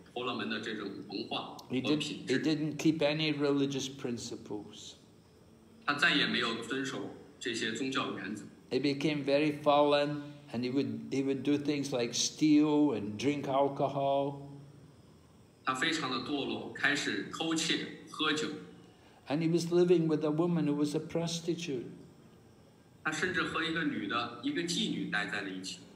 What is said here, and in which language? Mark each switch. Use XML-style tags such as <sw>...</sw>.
<zh>因为不良的联谊而放弃了失去了他所有的婆罗门的这种文化和品质.</zh> <en>He didn't keep any religious principles.</en> <zh>他再也没有遵守这些宗教原则.</zh> <en>He became very fallen and he would do things like steal and drink alcohol.</en> <zh>他非常的堕落, 开始偷窃, 喝酒,</zh> <en>and he was living with a woman who was a prostitute.</en> <zh>他甚至和一个女的, 一个妓女待在了一起.</zh>